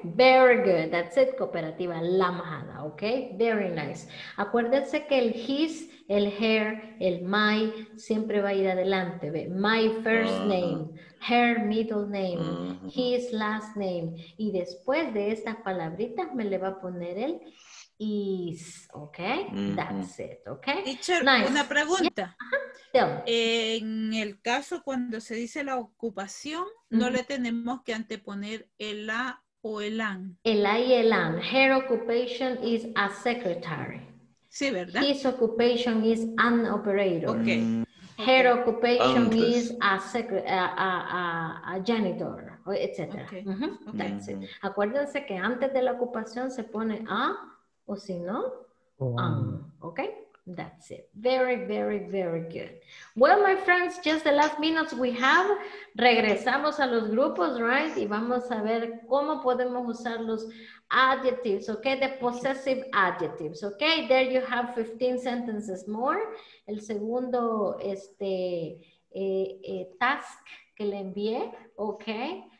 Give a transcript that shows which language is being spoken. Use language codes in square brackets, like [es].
[en] Very good, that's it, cooperativa La Majada, okay, very nice. [es] Acuérdense que el his, el her, el my, siempre va a ir adelante. [en] My first uh-huh. name, her middle name, uh-huh. [es] his last name. Y después de estas palabritas me le va a poner el is, okay, uh-huh. [en] that's it, okay. Teacher, nice. Una pregunta. Yeah. Yeah. [es] En el caso cuando se dice la ocupación, mm-hmm. no le tenemos que anteponer el A o el AN. [en] El A y el AN. Her occupation is a secretary. [es] Sí, ¿verdad? [en] His occupation is an operator. Okay. Her occupation antes. Is a janitor, etc. Okay. Uh-huh. Okay. That's it. [es] Acuérdense que antes de la ocupación se pone a, o si no, okay? [en] That's it. Very, very, very good. Well, my friends, just the last minutes we have. [es] Regresamos a los grupos, right? Y vamos a ver cómo podemos usar los adjectives, okay? [en] The possessive adjectives, okay? There you have 15 sentences more. [es] El segundo task que le envié, okay?